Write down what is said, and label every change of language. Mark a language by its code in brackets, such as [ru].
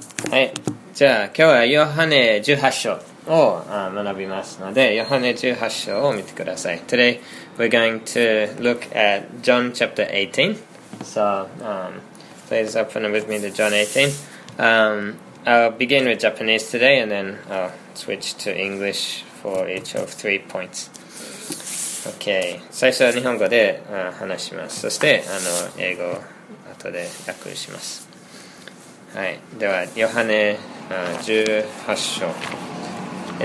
[ja] はい、じゃあ今日はヨハネ18章を学びますので、ヨハネ18章を見てください。 [en] Today we're going to look at John chapter 18. So please open with me to John 18. I'll begin with Japanese today and then I'll switch to English for each of three points. [ja] Okay, 最初は日本語で話します。そして英語を後で訳します。はい、ではヨハネ18章。